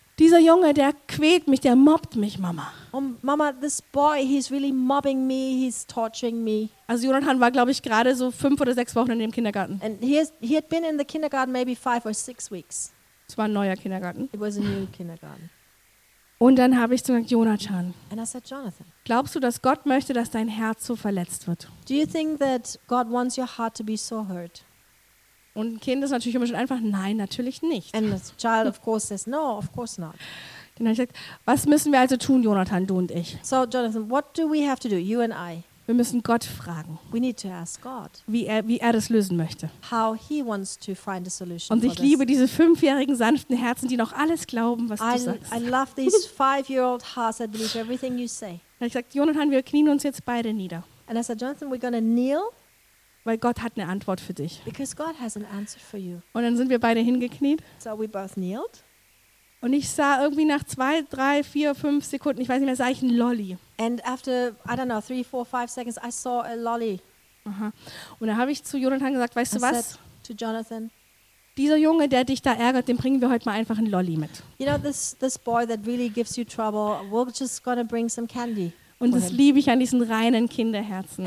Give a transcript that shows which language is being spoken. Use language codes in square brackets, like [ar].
[de] Dieser Junge, der quält mich, der mobbt mich, Mama. [en] Oh, Mama, this boy, he's really mobbing me, he's torturing me. [de] Also Jonathan war, glaube ich, gerade so 5 oder 6 Wochen in dem Kindergarten. [en] And he had been in the kindergarten maybe 5 or 6 weeks. [de] Es war ein neuer Kindergarten. [en] It was a new kindergarten. [de] Und dann habe ich gesagt, Jonathan. [en] And I said, Jonathan. [de] Glaubst du, dass Gott möchte, dass dein Herz so verletzt wird? [en] Do you think that God wants your heart to be so hurt? [de] Und ein Kind ist natürlich immer schon einfach, nein, natürlich nicht. [en] And the child of course says, no, of course not. [de] Dann habe ich gesagt, was müssen wir also tun, Jonathan, du und ich? [en] So, Jonathan, what do we have to do, you and I? [de] Wir müssen Gott fragen. [en] We need to ask God. [de] Wie er das lösen möchte. [en] How he wants to find a solution. [de] Und ich liebe diese 5-jährigen sanften Herzen, die noch alles glauben, was du sagst. [en] I love these 5-year-old hearts that believe everything you say. [de] Dann habe ich gesagt, Jonathan, wir knien uns jetzt beide nieder. [en] And I said, Jonathan, we're going to kneel. [de] Weil Gott hat eine Antwort für dich. [en] Because God has an answer for you. [de] Und dann sind wir beide hingekniet. [en] So we both kneeled. [de] Und ich sah irgendwie nach 2, 3, 4, 5 Sekunden, ich weiß nicht mehr, sah ich einen Lolli. [en] And after, I don't know, 3, 4, 5 seconds, I saw a lolly. Aha. [de] Und dann habe ich zu Jonathan gesagt, weißt du was? [en] I said to Jonathan. [de] Dieser Junge, der dich da ärgert, dem bringen wir heute mal einfach einen Lolli mit. [en] You know, this boy that really gives you trouble, we're just gonna bring some candy. [de] Und das liebe ich an diesen reinen Kinderherzen.